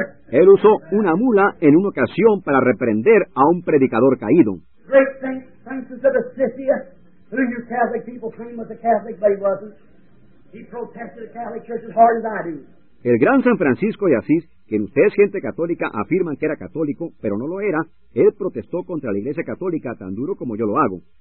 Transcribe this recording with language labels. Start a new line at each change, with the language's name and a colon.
Spanish: Él usó una mula en una ocasión para reprender a un predicador caído.
English: Great Saint Francis of Assisia, who you Catholic people claim was a Catholic, but he wasn't. He protested the Catholic Church as hard as I do.
Spanish: El gran San Francisco de Asís, quien ustedes, gente católica, afirman que era católico, pero no lo era, él protestó contra la Iglesia Católica tan duro como yo lo hago.